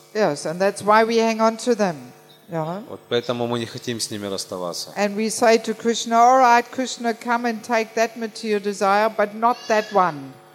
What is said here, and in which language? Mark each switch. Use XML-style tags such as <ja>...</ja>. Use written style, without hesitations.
<en>Yes, and that's why we hang on to them. You know?</en> <ru>Вот поэтому мы не хотим с ними расставаться.</ru> <en>And we say to Krishna, all right, Krishna, come and take that material desire, but not that one.</en>